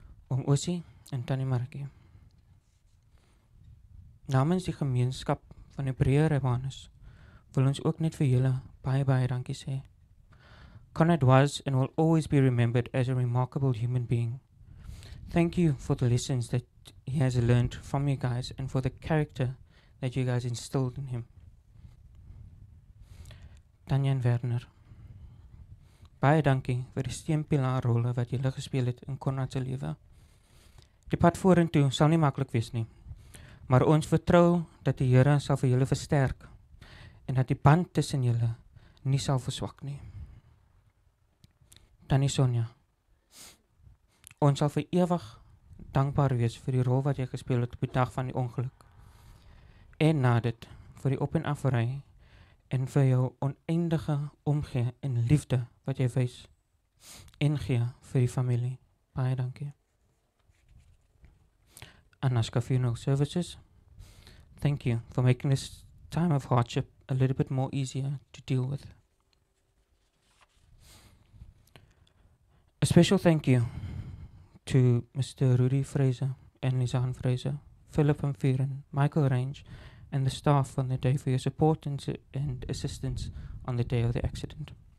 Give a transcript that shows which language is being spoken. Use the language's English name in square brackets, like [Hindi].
[Afrikaans] Om Osi en Tani Marke, namens die gemeenskap van Hebreë Rabbanus, wil ons ook net vir julle baie baie dankie sê. [English] Konrad was and will always be remembered as a remarkable human being. Thank you for the lessons that he has learned from you guys and for the character that you guys instilled in him. [Afrikaans] Tanya en Werner, baie dankie vir die steunpilaar rolle wat julle gespeel het in Konrad se lewe. Die pad vorentoe sal nie maklik wees nie, maar ons vertrou dat die Here sal vir julle versterk en dat die band tussen julle nie sal verswak nie. Tannie Sonja, ons sal vir ewig dankbaar wees vir die rol wat jy gespeel het op die dag van die ongeluk en na dit vir die op en afry en vir jou oneindige omgee en liefde wat jy wys en gee vir die familie. Baie dankie. [English] Anaska Funeral Services, thank you for making this time of hardship a little bit more easier to deal with. A special thank you to Mr. Rudy Fraser and Lisanne Fraser, Philip and Fieren, Michael Range, and the staff on the day for your support and assistance on the day of the accident.